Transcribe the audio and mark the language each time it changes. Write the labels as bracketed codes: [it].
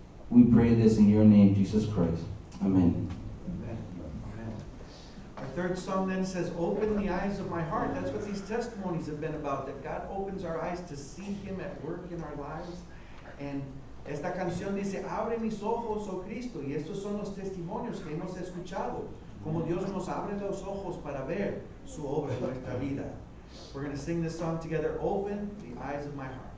[en] We pray this in your name, Jesus Christ. Amen. Third song then says, open the eyes of my heart. That's what these testimonies have been about, that God opens our eyes to see Him at work in our lives. [es] And esta canción dice, abre mis ojos, oh Cristo. Y estos son los testimonios que hemos escuchado, como Dios nos abre los ojos para ver su obra en nuestra vida. [en] We're going to sing this song together, open the eyes of my heart.